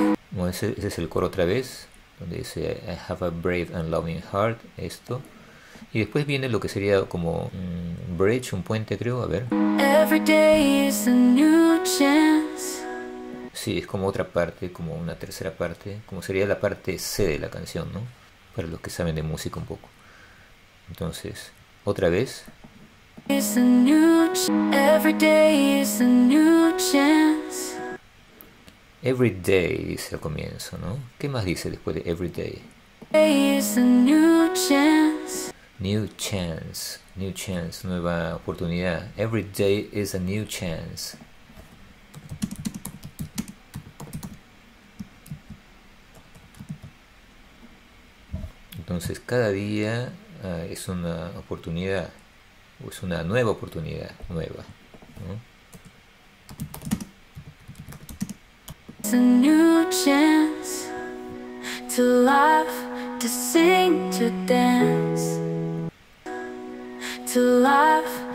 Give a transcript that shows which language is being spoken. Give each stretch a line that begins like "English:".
Spanish: Bueno, ese es el coro otra vez, donde dice
English: I have a brave and loving heart,
Spanish: esto. Y después viene lo que sería como un bridge, un puente, creo, a ver.
English: Every day is a new chance.
Spanish: Sí, es como otra parte, como una tercera parte, como sería la parte C de la canción, ¿no? Para los que saben de música un poco. Entonces, otra vez.
English: Is a new Every day is a new chance. Every day,
Spanish: dice al comienzo, ¿no? ¿Qué más dice después de every day?
English: Day is a new chance. New chance,
Spanish: nueva oportunidad.
English: Every day is a new chance.
Spanish: Entonces, cada día es una oportunidad, o es una nueva oportunidad, nueva, ¿no?
English: A new chance to laugh, to sing, to dance, to laugh.